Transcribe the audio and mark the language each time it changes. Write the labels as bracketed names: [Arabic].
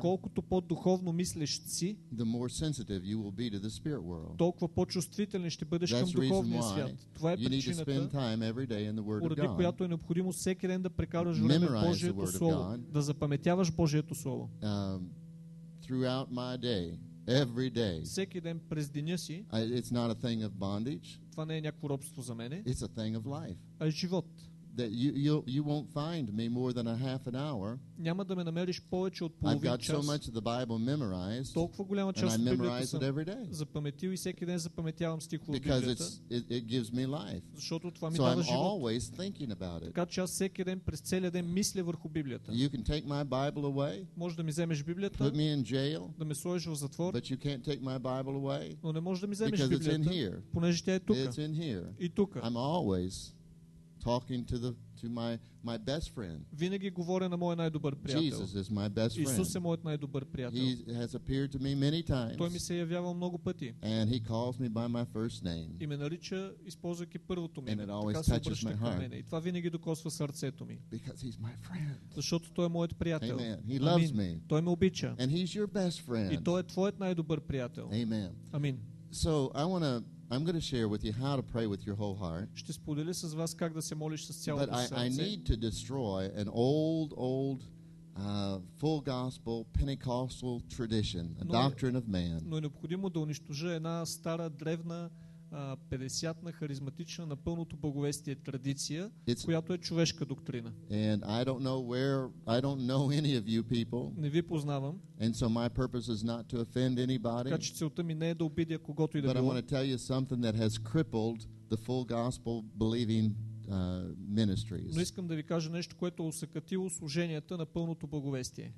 [Bulgarian] колкото по-духовно мислещ си, [English] the more sensitive you will be to the spirit world, [Bulgarian] толкова по-чувствителен ще бъдеш [English] That's [Bulgarian] към духовния свят. Това е причината, [English] you need to spend time every day in the word of God, [Bulgarian] поради която е необходимо всеки ден да прекараш време в Божието слово, да запаметяваш Божието слово. [English] Throughout my day, every day, [Bulgarian] всеки ден през деня си, [English] it's not a thing of bondage, [Bulgarian] това не е някакво робство за мене, [English] it's a thing of life, [Bulgarian] а е живот. [English] That you won't find me more than a half an hour, [Bulgarian] няма да ме намериш повече от половин час. [English] I've got so much of the Bible memorized, [Bulgarian] толкова голяма част от Библията съм [English] every day, [Bulgarian] запаметил, и всеки ден запаметявам стихове от Библията, [English] because it gives me life, [Bulgarian] защото това ми [English] so [Bulgarian] дава [English] I'm [Bulgarian] живот. [English] Always thinking about it, [Bulgarian] така че аз всеки ден през целия ден мисля върху Библията. [English] You can take my Bible away, [Bulgarian] може да ми вземеш Библията, [English] put me in jail, [Bulgarian] да ме сложиш в затвор, [English] but you can't take my Bible away, [Bulgarian] но не може да ми вземеш Библията, [English] it's in here, [Bulgarian] понеже тя е тук. [English] It's in here. [Bulgarian] И тук. [English] I'm always talking to the to my best friend. [Bulgarian] Винаги говоря на моя най-добър приятел. [English] Jesus is my best friend. [Bulgarian] Исус е моят най-добър приятел. [English] He has appeared to me many times. [Bulgarian] Той ми се явявал много пъти. [English] And he calls me by my first name. [Bulgarian] И ме нарича, използвайки първото ми име. [English] And it always touches my heart. [Bulgarian] И това винаги докосва сърцето ми. [English] Because he's my friend. [Bulgarian] Защото той е моят приятел. [English] Amen. He loves me. [Bulgarian] Той ме обича. [English] And he's your best friend. [Bulgarian] И той е твоят най-добър приятел. [English] Amen. [Bulgarian] Амин. [English] So I'm going to share with you how to pray with your whole heart. [Bulgarian] Ще споделя с вас как да се молиш с цялото сърце. [English] But I need to destroy an old full gospel Pentecostal tradition, a doctrine of man. [Bulgarian] Но е необходимо да унищожа една стара древна 50 на харизматична на пълното благовестие традиция, [English] it's, [Bulgarian] която е човешка доктрина. [English] And I don't know where, I don't know any of you people. [Bulgarian] Не ви познавам. [English] And so my purpose is not to offend anybody. [Bulgarian] Така че целта ми не е да обидя когото и да било. [English] But I want to tell you something that has crippled the full gospel believing ministries. [Bulgarian] Но искам да ви кажа нещо, което е осъкатило служенията на пълното благовестие.